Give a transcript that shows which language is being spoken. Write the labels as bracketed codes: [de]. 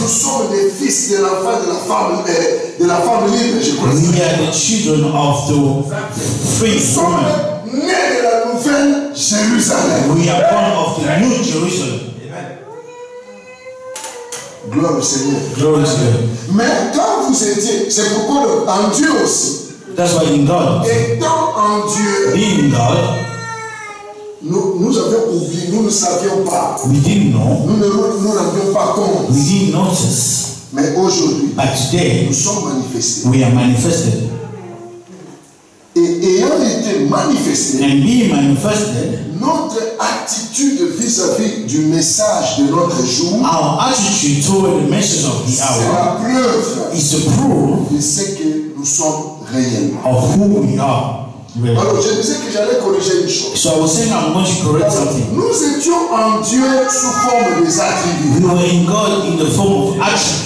[fr] nous sommes les fils de l'enfant de la femme, de la femme libre, je crois. [en] We are the children of the free woman. [fr] Nous sommes nés de la nouvelle Jérusalem. [en] We are born of the new Jerusalem. Amen. [fr] Gloire au Seigneur. [en] Glory to God. [fr] Mais quand vous étiez, c'est pourquoi en Dieu aussi. [en] That's why in God. [fr] Étant en Dieu. [en] Being in God. [fr] Nous avions oublié, nous ne savions pas. [en] We didn't know. [fr] Nous n'avions pas compte. [en] We didn't notice. [fr] Mais aujourd'hui, [en] but today, [fr] nous sommes manifestés. [en] We are manifested. [fr] Et ayant été manifestés, [en] and being manifested, [fr] notre attitude vis-à-vis du message de notre jour, [en] our attitude toward the message of the hour, [fr] c'est la preuve, [en] is a proof, [fr] de ce que nous sommes réellement, [en] of who we are [fr] Well, alors, je disais que j'allais corriger une chose. [en] So I was saying I'm going to correct something. [fr] Nous étions en Dieu sous forme des attributs. [en] We were in God in the form of actions.